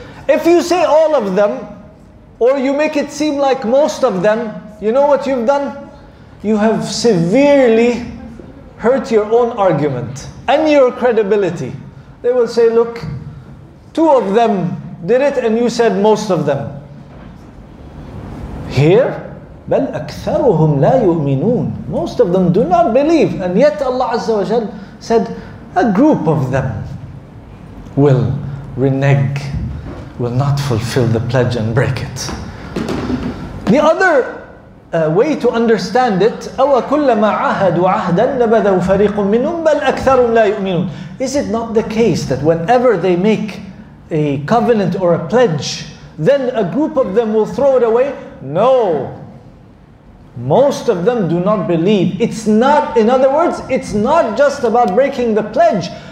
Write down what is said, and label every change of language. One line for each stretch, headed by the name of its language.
English: If you say all of them, or you make it seem like most of them, you know what you've done? You have severely hurt your own argument and your credibility. They will say, look, two of them did it and you said most of them. Here,
Arabic: بَلْ أَكْثَرُهُمْ لَا يُؤْمِنُونَ.
English: Most of them do not believe. And yet Allah Azza wa Jal said, a group of them will renege, will not fulfill the pledge and break it. The other way to understand it,
Arabic: أَوَ كُلَّمَا عَاهَدُوا عَهْدًا نَبَذَهُ فَرِيقٌ مِّنُّهُمْ بَلْ أَكْثَرُهُمْ لَا يُؤْمِنُونَ.
English: Is it not the case that whenever they make a covenant or a pledge, then a group of them will throw it away? No. Most of them do not believe. It's not, in other words, it's not just about breaking the pledge.